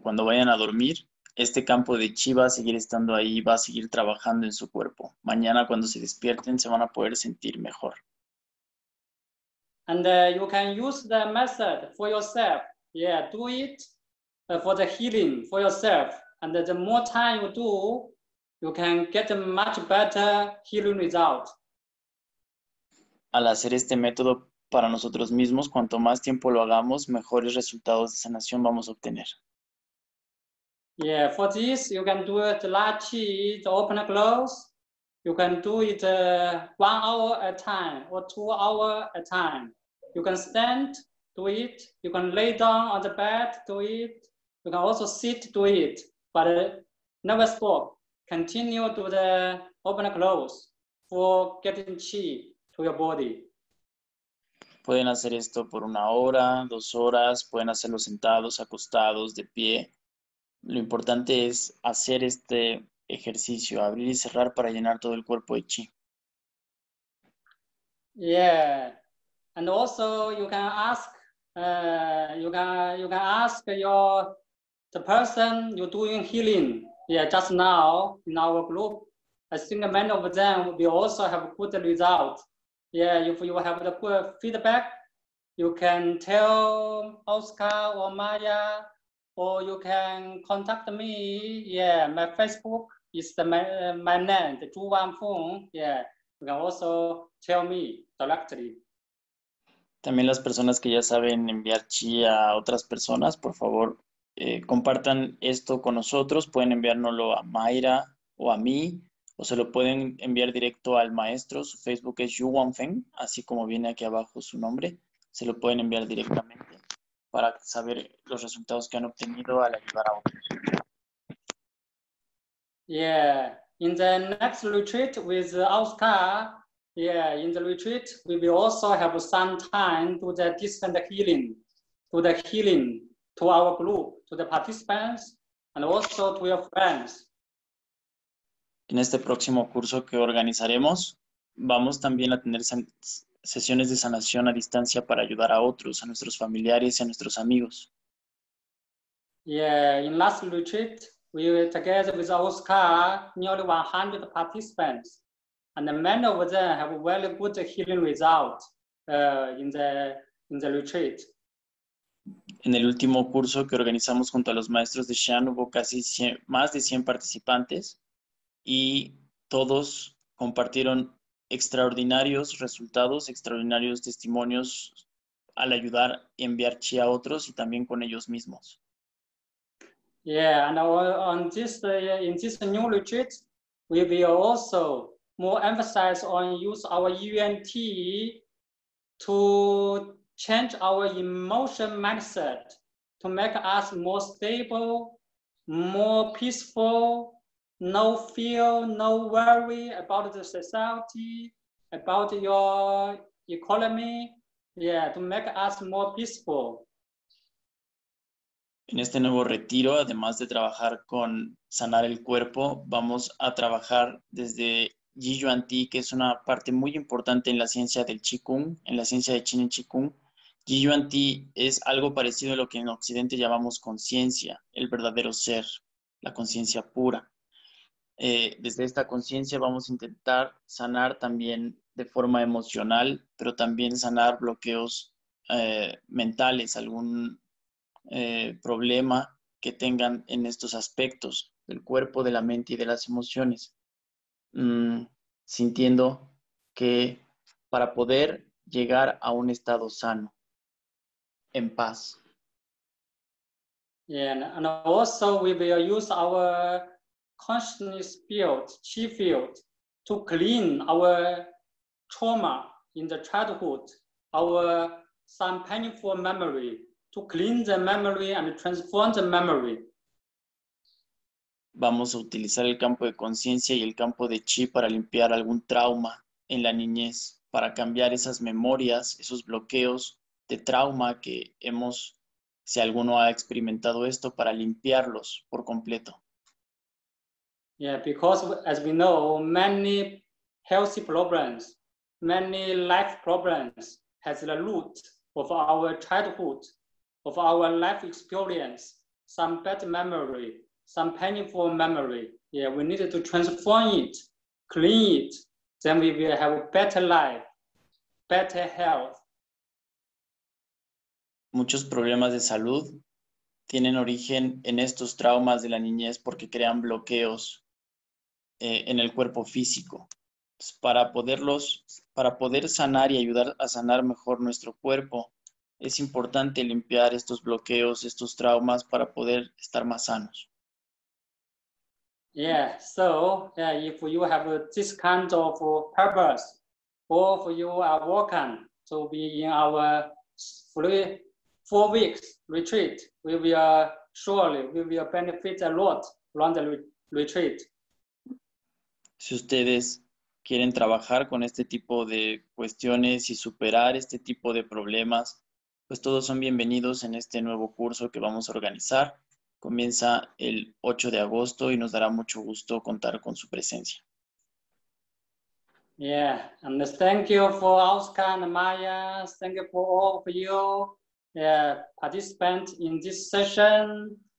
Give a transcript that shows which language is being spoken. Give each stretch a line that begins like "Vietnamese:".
Spanish: Cuando vayan a dormir, este campo de chi va a seguir estando ahí, va a seguir trabajando en su cuerpo. Mañana, cuando se despierten, se van a poder sentir mejor.
English: And you can use the method for yourself. Yeah, do it for the healing for yourself. And the more time you do, you can get a much better healing result.
Spanish: Al hacer este método para nosotros mismos, cuanto más tiempo lo hagamos, mejores resultados de sanación vamos a obtener.
English: Yeah, for this, you can do it large chi, the open and close. You can do it 1 hour at a time or 2 hours at a time. You can stand, do it. You can lay down on the bed, do it. You can also sit, do it. But never stop. Continue to the open and close for getting chi to your body.
Spanish: Pueden hacer esto por 1 hora, 2 horas. Pueden hacerlo sentados, acostados, de pie. Lo importante es hacer este ejercicio, abrir y cerrar para llenar todo el cuerpo de chi.
English: Yeah. And also, you can ask the person you're doing healing, yeah, just now in our group. I think many of them will also have good results. Yeah, if you have the good feedback, you can tell Oscar or Maya, or you can contact me. Yeah, my Facebook is the, my name, the Zhu Wanfeng. Yeah, you can also tell me directly.
Spanish: También las personas que ya saben enviar chi a otras personas, por favor, compartan esto con nosotros. Pueden enviárnoslo a Mayra o a mí, o se lo pueden enviar directo al maestro. Su Facebook es Yu Wanfeng, así como viene aquí abajo su nombre. Se lo pueden enviar directamente para saber los resultados que han obtenido al ayudar a otros.
English: Yeah, in the next retreat with Oscar, yeah, in the retreat, we will also have some time to the distant healing, to the healing to our group, to the participants, and also to your friends.
Spanish: En este próximo curso que organizaremos, vamos también a tener sesiones de sanación a distancia para ayudar a otros, a nuestros familiares y a nuestros amigos.
English: Yeah, in last retreat, we were together with Oscar, nearly 100 participants, and many of them have very good healing results in the retreat.
Spanish: En el último curso que organizamos junto a los maestros de Xi'an, hubo casi 100, más de 100 participantes. Y todos compartieron extraordinarios resultados, extraordinarios testimonios al ayudar y enviar chi a otros y también con ellos mismos.
English: Yeah, and on this in this new retreat, we will also more emphasize on use our UNT to change our emotion mindset to make us more stable, more peaceful. No fear, no worry about the society, about your economy, yeah, to make us more peaceful.
Spanish: En este nuevo retiro, además de trabajar con sanar el cuerpo, vamos a trabajar desde Yi Yuan Ti, que es una parte muy importante en la ciencia del Qi Kung, en la ciencia de Qin y Qi Kung. Yi Yuan Ti es algo parecido a lo que en Occidente llamamos conciencia, el verdadero ser, la conciencia pura. Desde esta conciencia vamos a intentar sanar también de forma emocional, pero también sanar bloqueos mentales, algún problema que tengan en estos aspectos del cuerpo, de la mente y de las emociones. Sintiendo que para poder llegar a un estado sano, en paz.
English: Yeah, and also we will use our consciousness field, chi field, to clean our trauma in the childhood, our some painful memory, to clean the memory and transform the memory.
Spanish: Vamos a utilizar el campo de conciencia y el campo de chi para limpiar algún trauma en la niñez, para cambiar esas memorias, esos bloqueos de trauma que hemos, si alguno ha experimentado esto, para limpiarlos por completo.
English: Yeah, because as we know, many healthy problems, many life problems has the root of our childhood, of our life experience, some bad memory, some painful memory. Yeah, we need to transform it, clean it, then we will have a better life, better health.
Spanish: Muchos problemas de salud tienen origen en estos traumas de la niñez porque crean bloqueos en el cuerpo físico. Entonces, para poder sanar y ayudar a sanar mejor nuestro cuerpo, es importante limpiar estos bloqueos, estos traumas para poder estar más sanos.
English: Yeah, so if you have this kind of purpose, or if you are welcome to be in our 3-4 weeks retreat, we will benefit a lot from the retreat.
Spanish: Si ustedes quieren trabajar con este tipo de cuestiones y superar este tipo de problemas, pues todos son bienvenidos en este nuevo curso que vamos a organizar. Comienza el 8 de agosto y nos dará mucho gusto contar con su presencia.
English: Yeah, and thank you for Oscar and Maya. Thank you for all of you participants in this session.